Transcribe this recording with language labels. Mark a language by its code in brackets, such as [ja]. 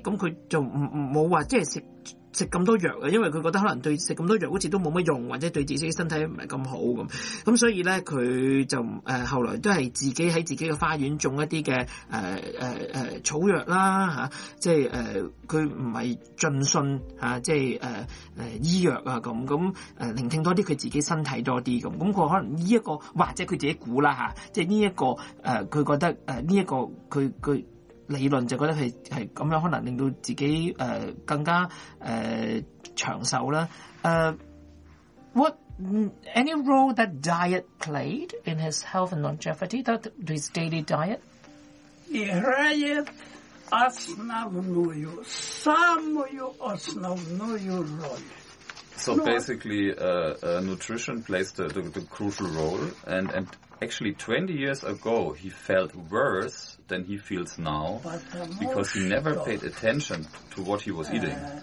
[yue] 咁佢就冇话即系食咁多药啊，因为佢觉得可能对食咁多药好似都冇乜用，或者对自己身体唔系咁好咁所以咧，佢就后来都系自己喺自己嘅花园种一啲嘅草药啦吓，即系佢唔系尽信吓，即系医药啊咁聆听多啲佢自己身体多啲咁佢可能呢、這、一个或者佢自己估啦吓，即系呢一个佢觉得呢一、這个佢。理論就覺得係咁樣，可能令到自己更加長壽啦。 [en] What any role that diet played in his health and longevity? That his daily diet? [ru] Играет основную, самую основную роль. [en] So basically, nutrition plays the crucial role. And actually, 20 years ago, he felt worse than he feels now because he never paid attention to what he was eating.